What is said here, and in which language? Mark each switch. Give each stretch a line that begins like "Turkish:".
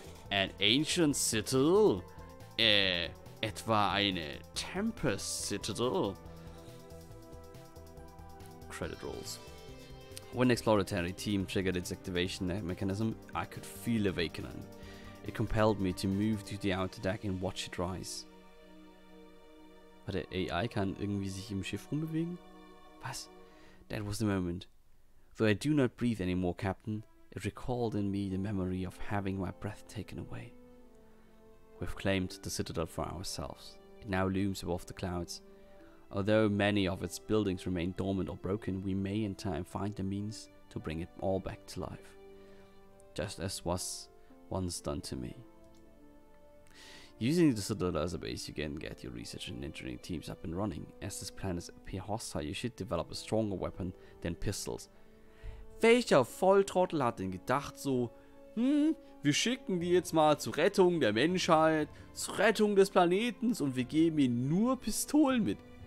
English: An ancient citadel?
German: Etwa eine
English: Tempest Citadel? Credit rolls. When the exploratory team triggered its activation mechanism, I could feel awakening. It compelled me to move to the outer deck and watch it rise.
German: Warte, AI kann irgendwie sich im Schiff rumbewegen? Was?
English: That was the moment. Though I do not breathe anymore, Captain, it recalled in me the memory of having my breath taken away. We've claimed the citadel for ourselves. It now looms above the clouds. Although many of its buildings remain dormant or broken, we may in time find the means to bring it all back to life. Just as was once done to me. Using the citadel as a base, you can get your research and engineering teams up and running. As this planet appears hostile, you should develop a stronger weapon than pistols.
German: Welcher Volltrottel hat denn gedacht so, wir schicken die jetzt mal zur Rettung der Menschheit, zur Rettung des Planetens und wir geben ihnen nur Pistolen mit.